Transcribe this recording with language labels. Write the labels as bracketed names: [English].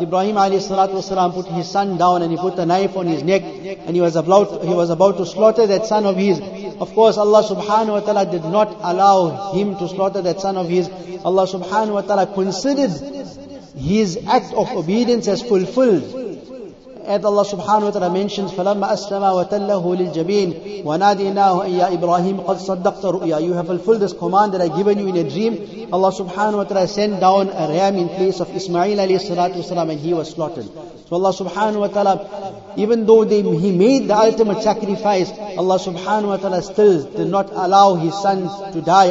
[English] Ibrahim alayhi salatu wasalam put his son down and he put a knife on his neck and he was about to slaughter that son of his. Of course, Allah subhanahu wa ta'ala did not allow him to slaughter that son of his. Allah subhanahu wa ta'ala considered his act of obedience as fulfilled. As Allah subhanahu wa ta'ala mentions, [Arabic] فَلَمَّا أَسْلَمَا وَتَلَّهُ لِلْجَبِينَ وَنَادِيْنَاهُ أَيَّا إِبْرَاهِيمُ قَدْ صَدَّقْتَ رُؤْيَا. [English] You have fulfilled this command that I've given you in a dream. Allah subhanahu wa ta'ala sent down a ram in place of Ismail alayhi salatu wasalam and he was slaughtered. So Allah subhanahu wa ta'ala, even though he made the ultimate sacrifice, Allah subhanahu wa ta'ala still did not allow his son to die.